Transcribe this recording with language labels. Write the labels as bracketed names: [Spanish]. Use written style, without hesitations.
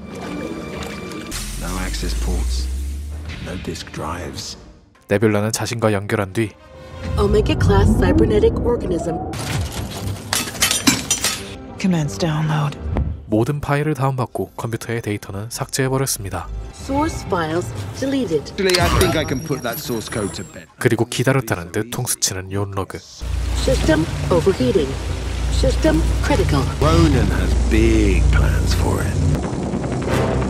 [English] No access ports. No disk drives. [Korean] 네뷸라는 자신과 연결한 뒤 [English] Omega-class cybernetic organism. Commence download. [Korean] 모든 파일을 다운받고 컴퓨터의 데이터는 삭제해버렸습니다. [English] Source files deleted. Actually, I think I can put that source code to bed. [Korean] 그리고 기다렸다는 듯 통수치는 요 로그. [English] System overheating. System critical. Ronan has big plans for it.